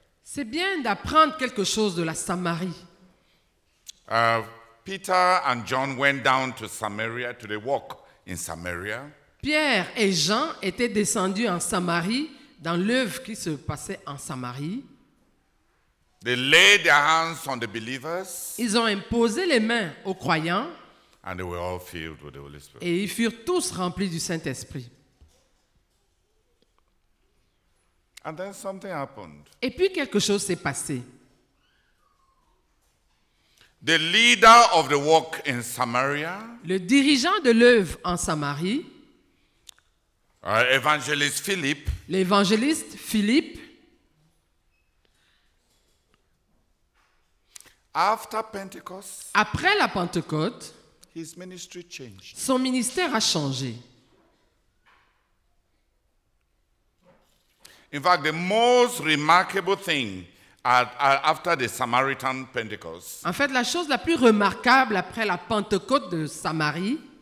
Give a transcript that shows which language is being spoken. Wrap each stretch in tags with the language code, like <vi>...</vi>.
<fr>C'est bien d'apprendre quelque chose de la Samarie.</fr> <en>Peter and John went down to Samaria to the walk in Samaria.</en> <fr>Pierre et Jean étaient descendus en Samarie dans l'œuvre qui se passait en Samarie.</fr> <en>They laid their hands on the believers.</en> <fr>Ils ont imposé les mains aux croyants.</fr> <en>And they were all filled with the Holy Spirit.</en> <fr>Et ils furent tous remplis du Saint-Esprit.</fr> <en>And then something happened.</en> <fr>Et puis quelque chose s'est passé.</fr> <en>The leader of the work in Samaria,</en> <fr>le dirigeant de l'œuvre en Samarie,</fr> <en>evangelist Philip,</en> <fr>l'évangéliste Philippe,</fr> <en>after Pentecost,</en> <fr>après la Pentecôte,</fr> <en>his ministry changed.</en> <fr>Son ministère a changé.</fr> <en>In fact, the most remarkable thing after the Samaritan Pentecost.</en> <fr>En fait, la chose la plus remarquable après la Pentecôte de Samarie.</fr>